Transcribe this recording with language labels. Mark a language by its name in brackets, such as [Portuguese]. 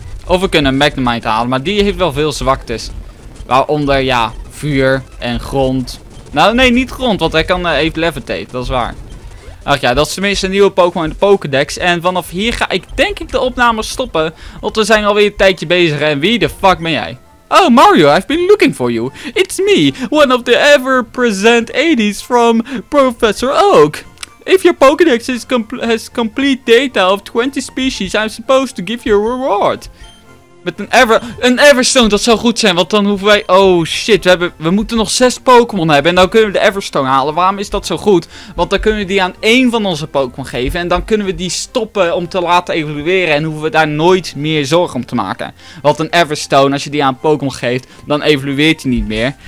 [Dutch] Of we kunnen Magnemite halen. Maar die heeft wel veel zwaktes. Waaronder, ja, vuur en grond. Nou, nee, niet grond. Want hij kan even levitate. Dat is waar. Ach ja, dat is tenminste een nieuwe Pokémon in de Pokédex. En vanaf hier ga ik denk ik de opname stoppen. Want we zijn alweer een tijdje bezig. En wie de fuck ben jij? [English] Oh, Mario, I've been looking for you. It's me, one of the ever-present 80s from Professor Oak. If your Pokédex has complete data of 20 species, I'm supposed to give you a reward. [Dutch] Met een Everstone, dat zou goed zijn, want dan hoeven wij... Oh shit, we moeten nog 6 Pokémon hebben en dan kunnen we de Everstone halen. Waarom is dat zo goed? Want dan kunnen we die aan één van onze Pokémon geven en dan kunnen we die stoppen om te laten evolueren. En hoeven we daar nooit meer zorgen om te maken. Want een Everstone, als je die aan Pokémon geeft, dan evolueert die niet meer.